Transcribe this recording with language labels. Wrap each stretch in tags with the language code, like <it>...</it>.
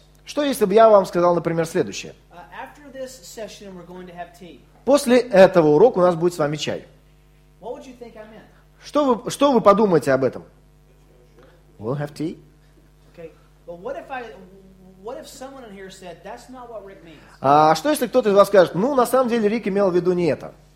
<ru>Что если бы я вам сказал, например, следующее?</ru> <en>After this session, we're going to have tea.</en> <ru>После этого урока у нас будет с вами чай.</ru> <en>What would you think I meant?</en> <ru>Что вы подумаете об этом?</ru> <en>We'll have tea. Okay. But what if I... What if someone in here said that's not what Rick means?</en> <ru>А что если кто-то из вас скажет, ну на самом деле Рик имел в виду не это.</ru>